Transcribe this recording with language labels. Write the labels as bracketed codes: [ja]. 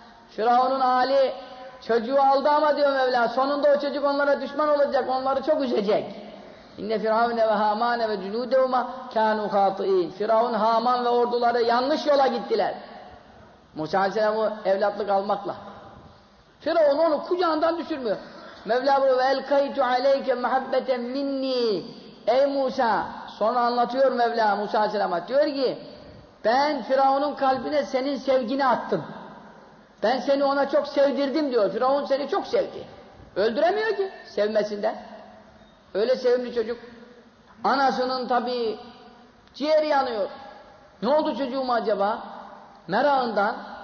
[tr] Firavun'un âli çocuğu aldı ama diyor Mevla, sonunda o çocuk onlara düşman olacak, onları çok üzecek. [ar] اِنَّ فِرْعَوْنَ وَهَامَانَ وَجُنُودَهُمَا كَانُوا خَاطِئِينَ. [tr] Firavun, Haman ve orduları yanlış yola gittiler. Musa Aleyhisselam'ı evlatlık almakla. Firavun onu kucağından düşürmüyor. Mevla buyuruyor, [ar] وَاَلْقَيْتُ عَلَيْكَ مَحَبَّةً مِنِّي. [tr] Ey Musa. Sonra anlatıyor Mevla Musa Aleyhisselam'a. Diyor ki, ben Firavun'un kalbine senin sevgini attım. Ben seni ona çok sevdirdim diyor. Firavun seni çok sevdi. Öldüremiyor ki sevmesinden. Öyle sevimli çocuk. Anasının tabii ciğeri yanıyor. Ne oldu çocuğuma acaba? Merağından.